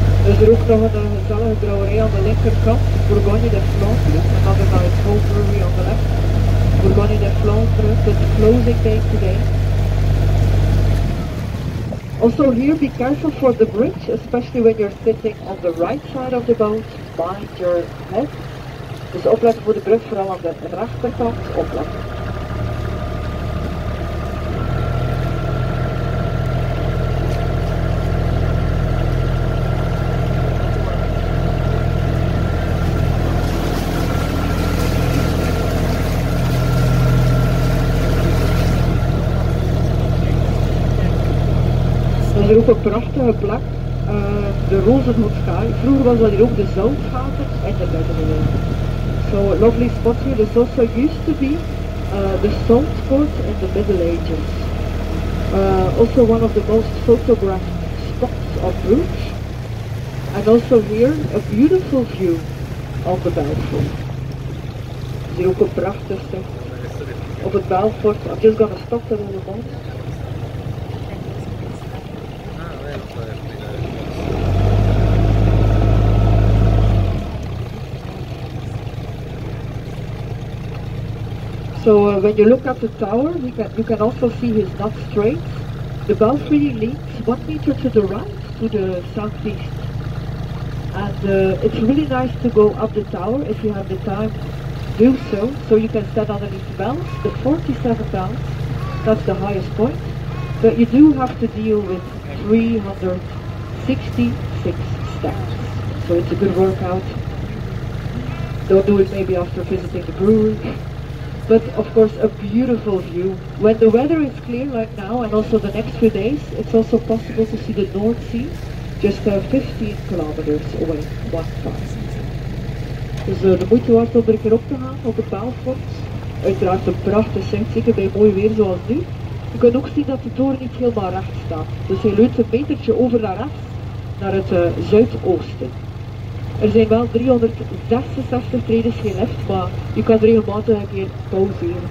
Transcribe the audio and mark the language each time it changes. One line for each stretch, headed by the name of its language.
Dutch: Is er ook nog een gezellige brouwerij aan de linkerkant, Bourgogne de Flandre, en dan is het Cold Brewery aan de left.
English: Bourgogne de Flandre, with the closing day today. Also here, be careful for the bridge, especially when you're sitting on the right side of the boat. Mind your head.
Dutch: Dus opletten voor de brug, vooral aan de rechterkant, opletten. Er is ook een prachtige plek, de Rozenhoutskaai. Vroeger was dat hier ook de zoutgaten in de middeleeuwen.
English: So a lovely spot here. This also used to be the salt port in the Middle Ages. Also one of the most photographed spots of Bruges. And also here a beautiful view of the Belfort.
Dutch: Er is ook een prachtig stuk op het Belfort.
English: I'm just gonna stop there in a moment. So when you look at the tower, you can also see it's not straight. The belfry leans 1 meter to the right, to the southeast. And it's really nice to go up the tower if you have the time. Do so, so you can stand underneath the bells, the 47 bells. That's the highest point. But you do have to deal with 366 steps. So it's a good workout. Don't do it maybe after visiting the brewery. But of course a beautiful view. When the weather is clear like now and also the next few days, it's also possible to see the North Sea just 15 kilometers away, one time.
Dutch: Dus de moeite waard om er een keer op te gaan op het Belfort. Uiteraard een prachtig zicht, zeker bij mooi weer zoals nu. Je kunt ook zien dat de toren niet helemaal recht staat. Dus hij leunt een metertje over naar rechts, naar het zuidoosten. Er zijn wel 366 treden gelift, maar je kan regelmatig een keer pauzeren.